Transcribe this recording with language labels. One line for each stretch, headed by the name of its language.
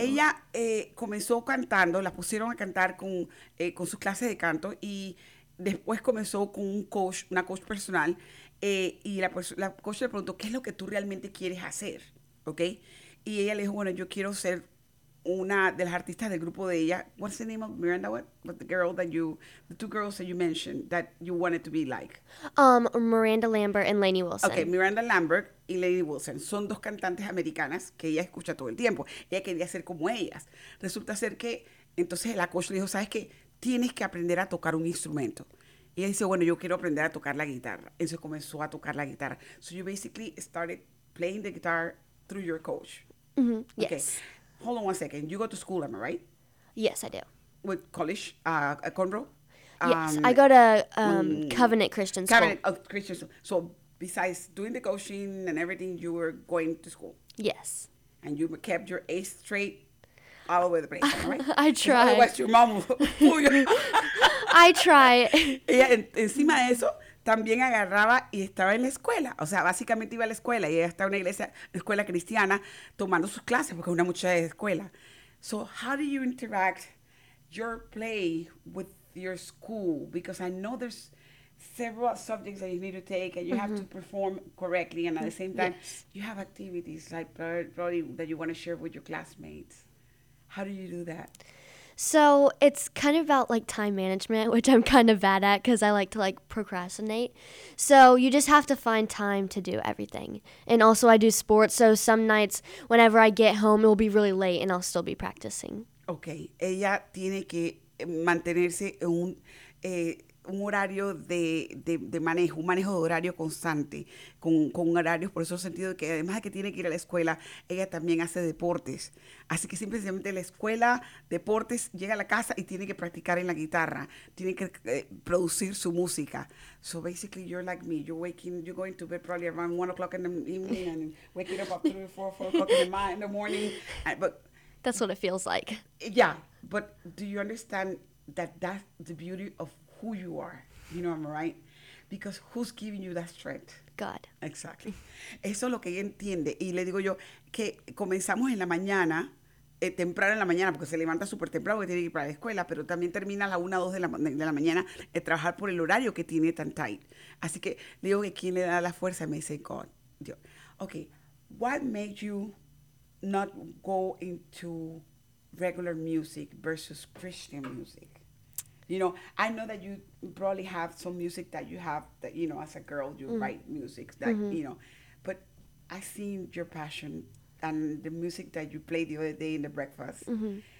Spanish: Ella comenzó cantando, la pusieron a cantar con sus clases de canto y después comenzó con un coach, una coach personal, y la coach le preguntó, ¿qué es lo que tú realmente quieres hacer? ¿Ok? Y ella le dijo, bueno, yo quiero ser una de las artistas del grupo de ella.
English: What's the name of Miranda? What the girl that you, the two girls that you mentioned that you wanted to be like? Miranda Lambert and Lainey Wilson.
Spanish: Okay, Miranda Lambert y Lainey Wilson. Son dos cantantes americanas que ella escucha todo el tiempo. Ella quería ser como ellas. Resulta ser que, entonces la coach le dijo, ¿sabes qué? Tienes que aprender a tocar un instrumento. Y ella dice, bueno, yo quiero aprender a tocar la guitarra. Entonces comenzó a tocar la guitarra.
English: So you basically started playing the guitar through your coach. Mm-hmm. Okay. Yes. Hold on 1 second. You go to school, am I right? Yes, I do. With college? At Conroe? Yes, I go to Covenant Christian School. Covenant of Christian School. So besides doing the coaching and everything, you were going to school? Yes. And you kept your A straight all over the place, am I right? I try. Otherwise, your mom will... I try.
Spanish: Ella, encima de eso, también agarraba y estaba en la escuela. O sea, básicamente iba a la escuela y ella estaba en una iglesia, escuela cristiana, tomando sus clases porque es una muchacha de escuela.
English: So, how do you interact your play with your school? Because I know there's several subjects that you need to take, and you mm-hmm. have to perform correctly, and at the same time, yes. you have activities like probably that you want to share with your classmates. How do you do that? So it's kind of about like time management, which I'm kind of bad at because I like to like procrastinate. So you just have to find time to do everything. And also I do sports. So some nights whenever I get home, it will be really late and I'll still be practicing. Okay.
Spanish: Ella tiene que mantenerse en un horario de manejo, un manejo de horario constante, con horarios, por eso sentido que además de que tiene que ir a la escuela, ella también hace deportes. Así que simplemente la escuela, deportes, llega a la casa y tiene que practicar en la guitarra, tiene que producir su música.
English: So basically you're like me, you're going to bed probably around 1 o'clock in the evening and waking up at 3 or 4 o'clock in the morning. But that's what it feels like. Yeah, but do you understand that that's the beauty of who you are, you know, I'm right, because who's giving you that strength? God.
Spanish: Exactly. Eso es lo que ella entiende. Y le digo yo que comenzamos en la mañana, temprano en la mañana, porque se levanta súper temprano porque tiene que ir para la escuela, pero también termina a la 1 o 2 de la mañana trabajar por el horario que tiene tan tight. Así que le digo que quien le da la fuerza, me dice God. Dios.
English: Okay, what made you not go into regular music versus Christian music? You know, I know that you probably have some music that you have that, you know, as a girl, you write music that, mm-hmm. you know, but I seen your passion and the music that you played the other day in the breakfast mm-hmm.